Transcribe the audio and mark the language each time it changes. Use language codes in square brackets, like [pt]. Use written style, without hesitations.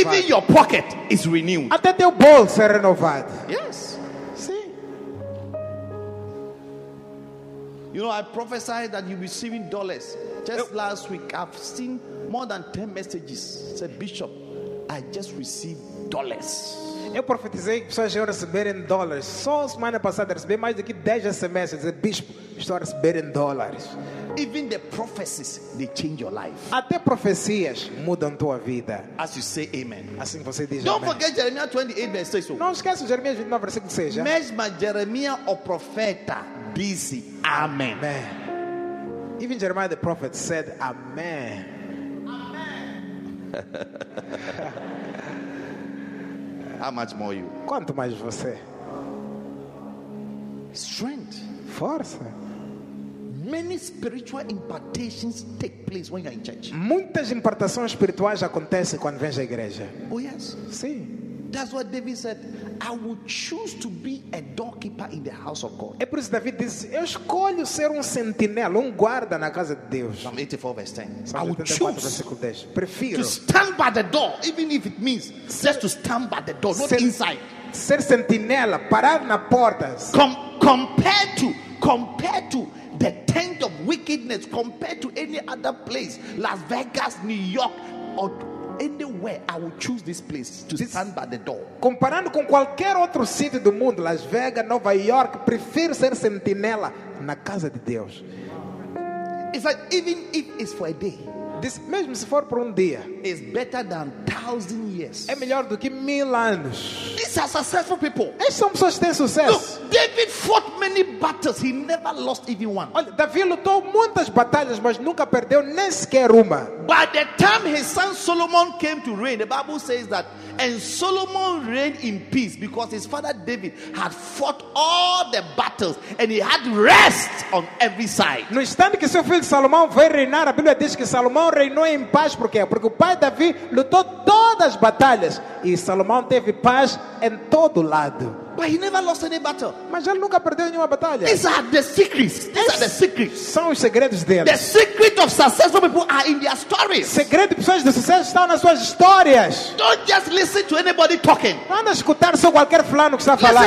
[en] Even your pocket is renewed. [pt] Até teu bolso é renovado. [en] Yes. You know, I prophesied that you'll be receiving dollars. Just last week, I've seen more than 10 messages. Said, Bishop, I just received dollars. [pt] Eu profetizei que pessoas iam receber em dólares. Só semana passada recebi mais do que 10 SMS. Said, Bishop, estou recebendo em dólares. [en] Even the prophecies, they change your life. [pt] Até profecias mudam tua vida. [en] As you say amen. [pt] Assim você diz [en] amém. Don't forget Jeremiah 28, verse 6. [pt] Não esquece Jeremias 29, versículo 6. Mesmo Jeremias, o profeta, disse amém. [en] Amen. Even Jeremiah the prophet said amen. Amen. How much more you? [pt] Quanto mais você? [en] Strength. [pt] Força. [en] Many spiritual impartations take place when you are in church. [pt] Muitas impartações espirituais acontecem quando vem à igreja. [en] Oh yes. [pt] Sim. [en] That's what David said. I would choose to be a doorkeeper in the house of God. [pt] É por isso que David diz, eu escolho ser sentinela, guarda na casa de Deus. [en] Psalm 84, verse 10. I would choose to stand by the door, even if it means just to stand by the door, not inside. [pt] Ser sentinela, parar na porta. [en] Compared to the tent of wickedness, compared to any other place, Las Vegas, New York, or anywhere, I will choose this place to stand by the door. [pt] Comparando com qualquer outro sítio do mundo, Las Vegas, Nova York, prefiro ser sentinela na casa de Deus. [en] It's like, even if it's for a day, [pt] this, mesmo se for por dia, [en] is better than 1,000 years. [pt] É melhor do que 1,000 anos. [en] These are successful people. [pt] Essas são pessoas que têm sucesso. [en] Look, David fought many battles; he never lost even one. [pt] Olha, Davi lutou muitas batalhas, mas nunca perdeu nem sequer uma. [en] By the time his son Solomon came to reign, the Bible says that, and Solomon reigned in peace because his father David had fought all the battles and he had rest on every side. [pt] No instante que seu filho Salomão foi reinar, a Bíblia diz que Salomão reinou em paz. Por quê? Porque o pai Davi lutou todas as batalhas e Salomão teve paz em todo lado. [en] But he never lost any battle. [pt] Mas ele nunca perdeu nenhuma batalha. [en] These are the secrets. These are the secrets. [pt] São os segredos deles. [en] The secret of successful people are in their stories. [pt] Segredo de pessoas de sucesso estão nas suas histórias. [en] Don't just listen to anybody talking. [pt] Não anda a escutar só qualquer fulano que está a falar.